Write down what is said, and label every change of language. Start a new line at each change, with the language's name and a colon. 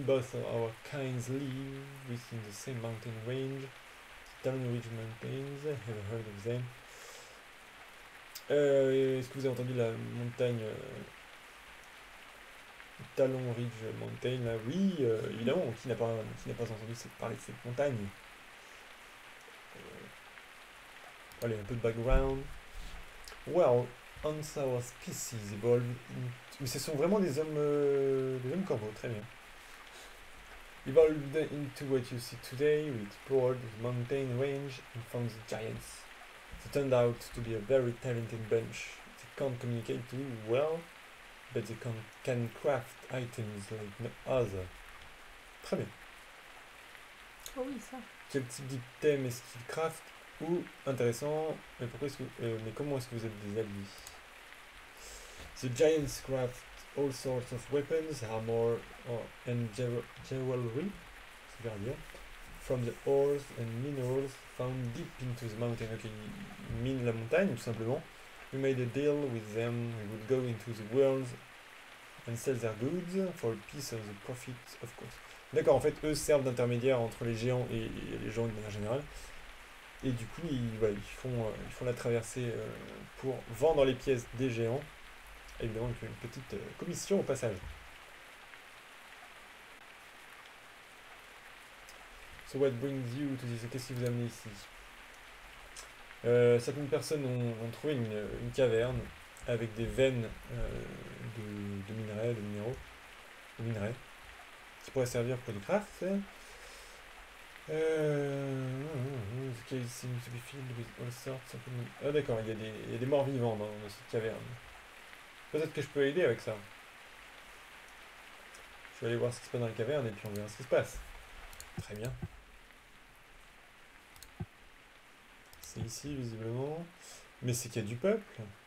English: Both of our kinds live within the same mountain range. Stone Ridge Mountains, have you heard of them?
French: Est-ce que vous avez entendu la montagne Talon Ridge Mountain là? Oui, évidemment, qui n'a pas entendu parler de cette montagne? Allez, un peu de background.
English: Well, once our species evolved into.
French: Mais ce sont vraiment des hommes corbeaux, très bien.
English: Evolved into what you see today, we explored the mountain range and found the giants. It turned out to be a very talented bunch. They can't communicate too well, but they can craft items like no other.
French: Très bien. Oh oui, ça. Quel type d'item est-ce qu'ils craftent? Ou, intéressant, mais pourquoi est-ce que. Mais comment est-ce que vous êtes des alliés?
English: The giants craft all sorts of weapons, armor and jewelry,
French: c'est-à-dire,
English: from the ores and minerals found deep into the mountain.
French: Ok, ils minent la montagne, tout simplement.
English: We made a deal with them. We would go into the world and sell their goods for a piece of the profit, of course.
French: D'accord, en fait, eux servent d'intermédiaire entre les géants et les gens de manière générale. Et du coup, ils font la traversée pour vendre les pièces des géants. Évidemment, avec une petite commission au passage.
English: So what brings you to this?
French: Qu'est-ce qui vous a amené ici? Certaines personnes ont trouvé une caverne avec des veines de minerais, de minéraux, de minerais, qui pourraient servir pour du craft.
English: The cave seems to be filled with all sorts of.
French: Ah d'accord, il y a des morts-vivants dans cette caverne. Peut-être que je peux aider avec ça. Je vais aller voir ce qui se passe dans la caverne et puis on verra ce qui se passe. Très bien. C'est ici, visiblement. Mais c'est qu'il y a du peuple.